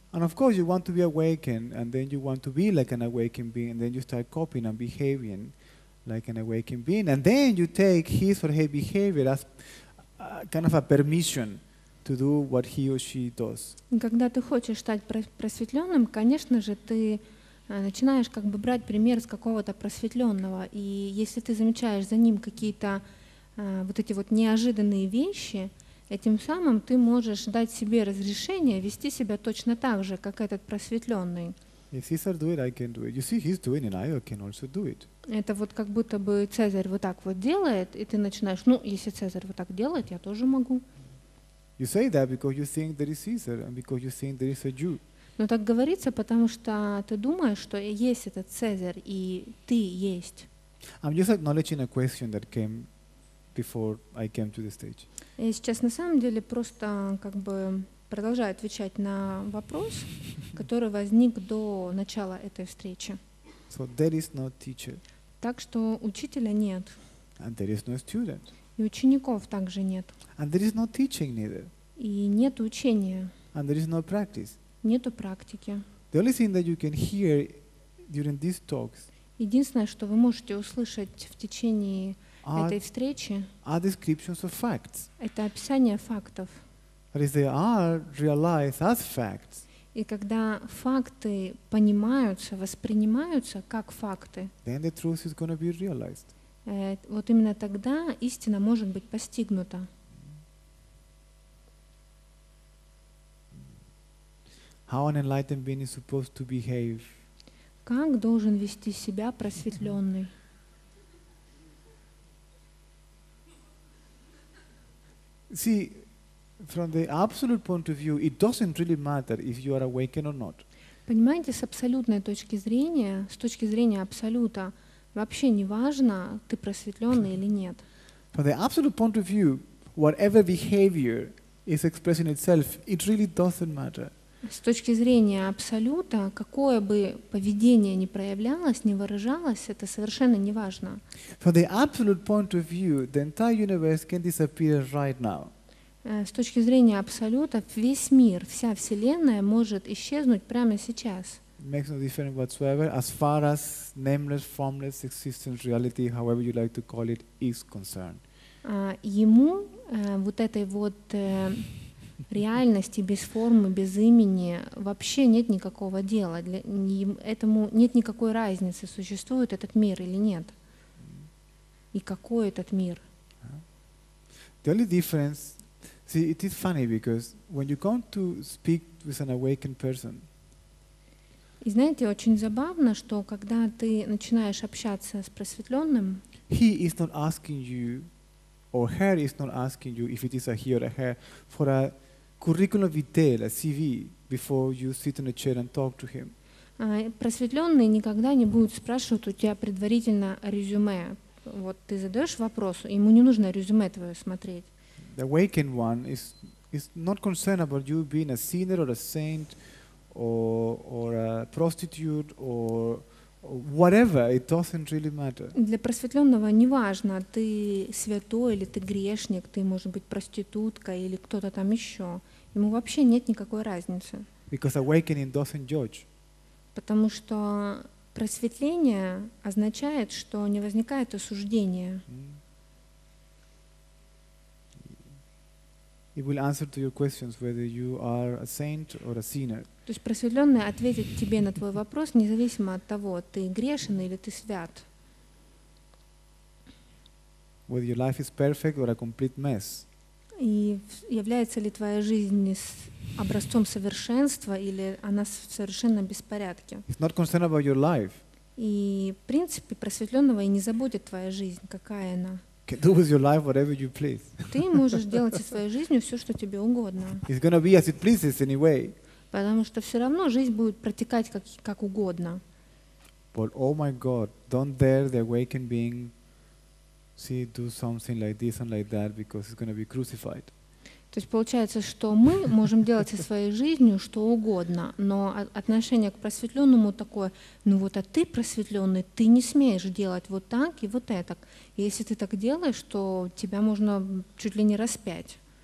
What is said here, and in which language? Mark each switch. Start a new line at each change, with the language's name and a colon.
English: And of course you want to be awakened, and then you want to be like an awakened being, and then you start copying and behaving like an awakened being, and then you take his or her behavior as kind of a permission to do what he or she does.
Russian: Когда ты хочешь стать просветленным, конечно же, ты начинаешь как бы брать пример с какого-то просветленного, и если ты замечаешь за ним какие-то вот эти вот неожиданные вещи, этим самым ты можешь дать себе разрешение вести себя точно так же, как этот просветленный.
English: If Caesar do it, I can do it. You see, he's doing it, I can also do it.
Russian: Это вот как будто бы Цезарь вот так вот делает, и ты начинаешь, ну, если Цезарь вот так делает, я тоже могу.
English: You say that because you think there is Caesar and because you think there is a Jew.
Russian: Но так говорится, потому что ты думаешь, что есть этот Цезарь и ты есть.
English: I'm just acknowledging a question that came before I came to the stage.
Russian: Я сейчас на самом деле просто как бы продолжаю отвечать на вопрос, который возник до начала этой встречи.
English: So there is no teacher.
Russian: Так что учителя нет.
English: And there is no student.
Russian: И учеников также нет.
English: And there is no teaching neither.
Russian: И нет учения.
English: And there is no practice.
Russian: Нету практики.
English: The only thing that you can hear during these talks.
Russian: Единственное, что вы можете услышать в течение этой встречи.
English: Are descriptions of facts.
Russian: Это описание фактов.
English: But if they are realized as facts.
Russian: И когда факты понимаются, воспринимаются как факты,
English: then the truth is going to be realized.
Russian: Вот именно тогда истина может быть постигнута.
English: How an enlightened being is supposed to behave?
Russian: Как должен вести себя просветленный?
English: See, from the absolute point of view, it doesn't really matter if you are awakened or not.
Russian: Понимаете, с абсолютной точки зрения, с точки зрения абсолюта, вообще не важно, ты просветленный или нет.
English: From the absolute point of view, whatever behavior is expressing itself, it really doesn't matter.
Russian: С точки зрения абсолюта, какое бы поведение ни проявлялось, ни выражалось, это совершенно не важно.
English: From the absolute point of view, the entire universe can disappear right now.
Russian: С точки зрения абсолюта, весь мир, вся вселенная может исчезнуть прямо сейчас.
English: Makes no difference whatsoever as far as nameless, formless, existent reality, however you like to call it, is concerned.
Russian: Ему вот этой вот реальности без формы, без имени вообще нет никакого дела. Для этому нет никакой разницы, существует этот мир или нет. И какой этот мир?
English: The only difference. See, it is funny because when you come to speak with an awakened person.
Russian: И знаете, очень забавно, что когда ты начинаешь общаться с просветленным,
English: he is not asking you, or her is not asking you, if it is a he or a her, for a curriculum vitae, a CV, before you sit in a chair and talk to him.
Russian: Просветленный никогда не будет спрашивать у тебя предварительно резюме. Вот ты задаешь вопрос, ему не нужно резюме твое смотреть.
English: The awakened one is not concerned about you being a sinner or a saint or a prostitute or whatever. It doesn't really matter.
Russian: Для просветленного не важно, ты святой или ты грешник, ты может быть проститутка или кто-то там еще. Ему вообще нет никакой разницы.
English: Because awakening doesn't judge.
Russian: Потому что просветление означает, что не возникает осуждения.
English: It will answer to your questions whether you are a saint or a sinner.
Russian: То есть просветленный ответит тебе на твой вопрос, независимо от того, ты грешен или ты свят.
English: Whether your life is perfect or a complete mess.
Russian: И является ли твоя жизнь образцом совершенства или она в совершенном беспорядке?
English: It's not concerned about your life.
Russian: И в принципе просветленного и не заботит твоя жизнь, какая она.
English: Do with your life whatever you please.
Russian: Ты можешь делать со своей жизнью все, что тебе угодно.
English: It's going to be as it pleases anyway.
Russian: Потому что все равно жизнь будет протекать как угодно.
English: But oh my God, don't dare the awakened being see do something like this and like that because it's going to be crucified.
Russian: То есть получается, что мы можем делать со своей жизнью что угодно, но отношение к просветленному такое, ну вот, а ты просветленный, ты не смеешь делать вот так и вот это. Если ты так делаешь, то тебя можно чуть ли не распять.